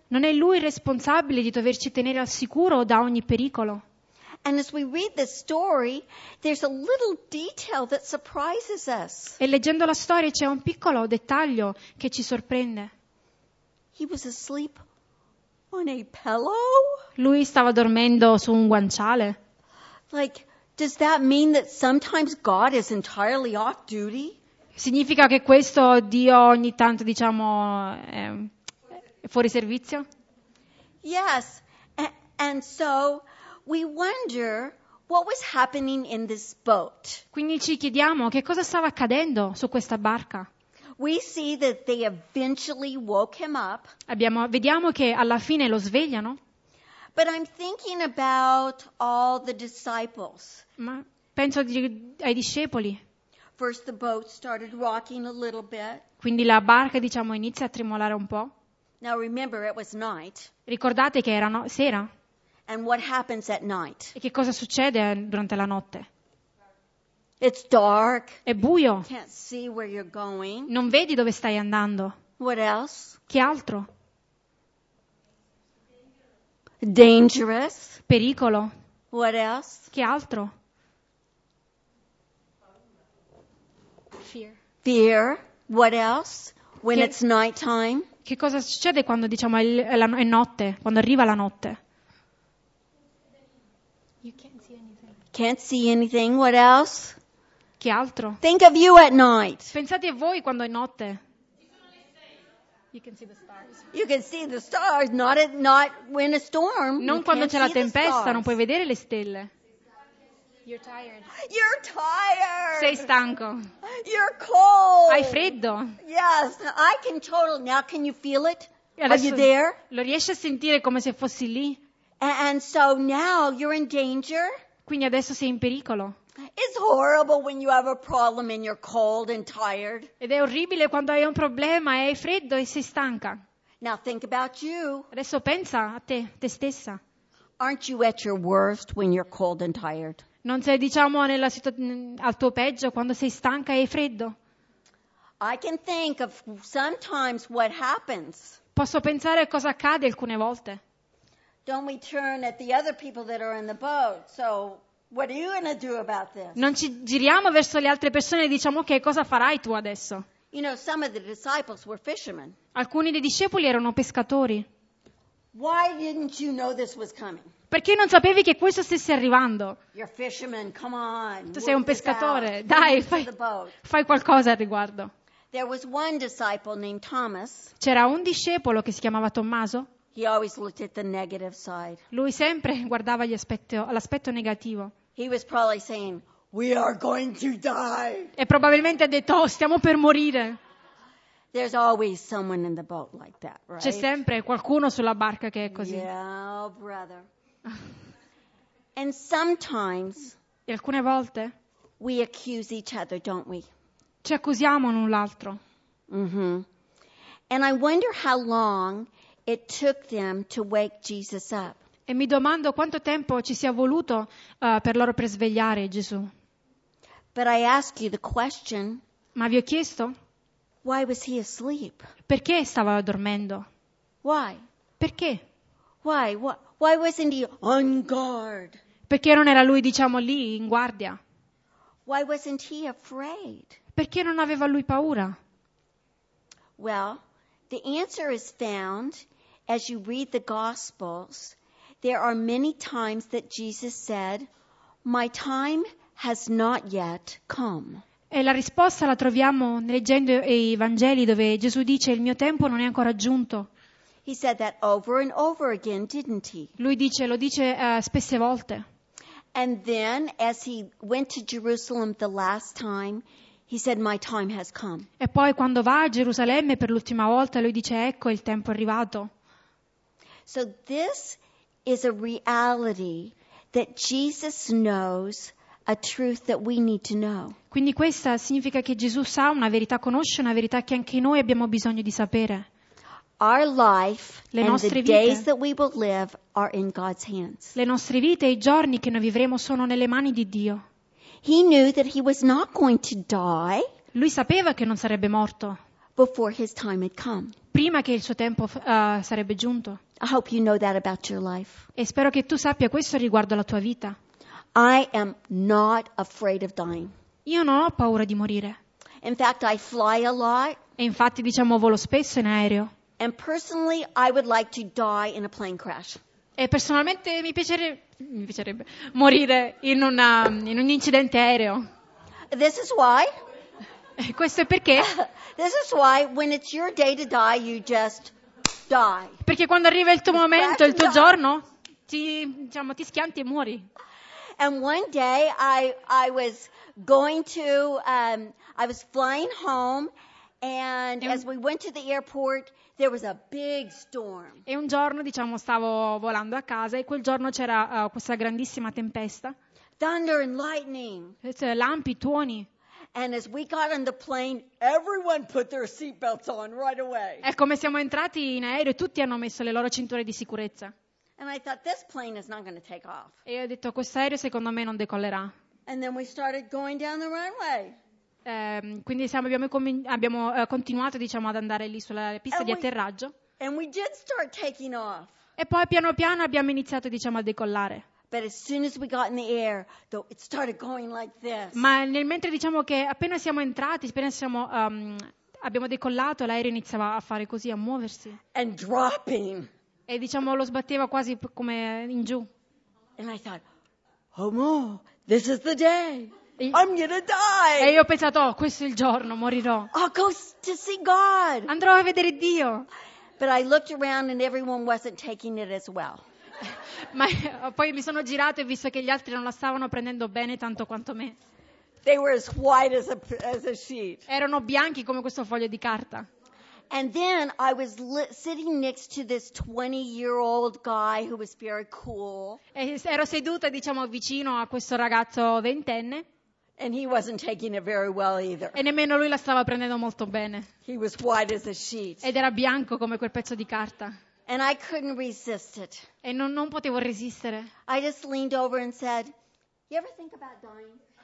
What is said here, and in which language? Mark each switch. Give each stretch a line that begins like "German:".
Italian: Non è Lui responsabile di doverci tenere al sicuro da ogni pericolo?
English: And as we read the story, there's a little detail that surprises us.
Italian: E leggendo la storia c'è un piccolo dettaglio che ci sorprende.
English: He was asleep on a pillow?
Italian: Lui stava dormendo su un guanciale.
English: Like, does that mean that sometimes God is entirely off duty?
Italian: Significa che questo Dio ogni tanto, diciamo, è fuori servizio?
English: Yes. And so we wonder what was happening in this boat.
Italian: Quindi ci chiediamo che cosa stava accadendo su questa barca.
English: We see that they eventually woke him up.
Italian: Vediamo che alla fine lo svegliano.
English: But I'm thinking about all the disciples.
Italian: Ma penso ai discepoli.
English: First the boat started rocking a little bit.
Italian: Quindi la barca, diciamo, inizia a tremolare un po'.
English: Now remember, it was night.
Italian: Ricordate che era sera.
English: And what happens at night?
Italian: E che cosa succede durante la notte?
English: It's dark.
Italian: È buio.
English: You can't see where you're going.
Italian: Non vedi dove stai andando.
English: What else?
Italian: Che altro?
English: Dangerous.
Italian: Pericolo.
English: What else?
Italian: Che altro?
English: Fear. Fear. What else? When it's nighttime.
Italian: Che cosa succede quando, diciamo, è notte, quando arriva la notte?
English: You can't see anything. Can't see anything. What else?
Italian: Che altro?
English: Think of you at night.
Italian: Pensate a voi quando è notte.
English: You can see the stars. You can see the stars, not when a storm.
Italian: Non quando c'è la tempesta, non puoi vedere le stelle.
English: You're tired. You're tired.
Italian: Sei stanco.
English: You're cold.
Italian: Hai freddo.
English: Yes, I can totally. Now can you feel it? Are you there?
Italian: Lo riesci a sentire come se fossi lì?
English: And so now you're in danger.
Italian: Quindi adesso sei in pericolo.
English: It's horrible when you have a problem and you're cold and tired.
Italian: Ed è orribile quando hai un problema e hai freddo e sei stanca.
English: Now think about you.
Italian: Adesso pensa a te stessa.
English: Aren't you at your worst when you're cold and tired?
Italian: Non sei, diciamo, al tuo peggio quando sei stanca e hai freddo?
English: I can think of sometimes what happens.
Italian: Posso pensare a cosa accade alcune volte.
English: Don't we turn at the other people that are in the boat? So, what are you going to do about this?
Italian: Non ci giriamo verso le altre persone e diciamo, ok, cosa farai tu adesso?
English: You know, some of the disciples were fishermen.
Italian: Alcuni dei discepoli erano pescatori.
English: Why didn't you know this was coming?
Italian: Perché non sapevi che questo stesse arrivando?
English: You're fishermen, come on.
Italian: Tu sei un pescatore, dai, fai qualcosa al riguardo.
English: There was one disciple named Thomas.
Italian: C'era un discepolo che si chiamava Tommaso.
English: He always looked at the negative side.
Italian: Lui sempre guardava l'aspetto negativo.
English: He was probably saying, "We are going to die."
Italian: E probabilmente ha detto, "Oh, stiamo per morire."
English: There's always someone in the boat like that, right?
Italian: C'è sempre qualcuno sulla barca che è così.
English: Yeah, oh brother. And sometimes.
Italian: E alcune volte.
English: We accuse each other, don't we?
Italian: Ci accusiamo l'un l'altro. Mm-hmm.
English: And I wonder how long it took them to wake Jesus up.
Italian: E mi domando quanto tempo ci sia voluto per loro per svegliare Gesù.
English: But I ask you the question.
Italian: Ma vi ho chiesto?
English: Why was he asleep?
Italian: Perché stava dormendo?
English: Why?
Italian: Perché?
English: Why wasn't he on guard?
Italian: Perché non era lui, diciamo, lì in guardia?
English: Why wasn't he afraid?
Italian: Perché non aveva lui paura?
English: Well, the answer is found as you read the Gospels There are many times that Jesus said, "My time has not yet come."
Italian: E la risposta la troviamo leggendo i Vangeli dove Gesù dice il mio tempo non è ancora giunto.
English: He said that over and over again, didn't he?
Italian: Lui dice, lo dice spesse volte.
English: And then as he went to Jerusalem the last time, he said my time has come.
Italian: E poi quando va a Gerusalemme per l'ultima volta lui dice ecco il tempo è arrivato.
English: So this is a reality that Jesus knows. A truth that we need to know.
Italian: Quindi questa significa che Gesù sa una verità, conosce una verità che anche noi abbiamo bisogno di sapere.
English: Our life,
Italian: le nostre
English: vite, days that we will live are in God's hands.
Italian: Le nostre vite e i giorni che noi vivremo sono nelle mani di Dio.
English: He knew that he was not going to die.
Italian: Lui sapeva che non sarebbe morto.
English: Before his time had come.
Italian: Prima che il suo tempo sarebbe giunto.
English: I hope you know that about your life.
Italian: E spero che tu sappia questo riguardo alla tua vita.
English: I am not afraid of dying.
Italian: Io non ho paura di morire.
English: In fact, I fly a lot.
Italian: E infatti, diciamo, volo spesso in aereo.
English: And personally, I would like to die in a plane crash.
Italian: E personalmente mi piacerebbe morire in un incidente aereo.
English: This is why.
Italian: E questo è perché.
English: This is why when it's your day to die, you just die.
Italian: Perché quando arriva il tuo momento, il tuo giorno, ti schianti e muori.
English: And one day I was going to I was flying home and as we went to the airport there was a big storm.
Italian: E un giorno diciamo stavo volando a casa e quel giorno c'era questa grandissima tempesta.
English: Thunder and lightning.
Italian: Lampi, tuoni.
English: And as we got on the plane everyone put their seatbelts on right away.
Italian: E come siamo entrati in aereo tutti hanno messo le loro cinture di sicurezza.
English: And I thought this plane is not going to take off.
Italian: E ho detto questo aereo secondo me non decollerà.
English: And then we started going down the runway.
Italian: Quindi abbiamo continuato diciamo ad andare lì sulla pista
English: and
Italian: di atterraggio.
English: We did start taking off.
Italian: E poi piano piano abbiamo iniziato diciamo a decollare.
English: But as soon as we got in the air, though, it started going like this.
Italian: Ma nel mentre diciamo che appena siamo entrati, appena siamo abbiamo decollato, l'aereo iniziava a fare così, a muoversi.
English: And dropping.
Italian: E diciamo lo sbatteva quasi come in giù.
English: And I thought, oh no, this is the day. I'm gonna die.
Italian: E io ho pensato, oh, questo è il giorno, morirò.
English: I'll go to see God.
Italian: Andrò a vedere Dio.
English: But I looked around and everyone wasn't taking it as well.
Italian: Ma poi mi sono girato e visto che gli altri non la stavano prendendo bene tanto quanto me.
English: They were as white as a sheet.
Italian: Erano bianchi come questo foglio di carta.
English: And then I was sitting next to this 20-year-old guy who was very cool.
Italian: E ero seduta, diciamo, vicino a questo ragazzo ventenne.
English: And he wasn't taking it very well either.
Italian: E nemmeno lui la stava prendendo molto bene.
English: He was white as a sheet.
Italian: Ed era bianco come quel pezzo di carta.
English: And I couldn't resist it.
Italian: E non potevo resistere.
English: I just leaned over and said, "You ever think about dying?"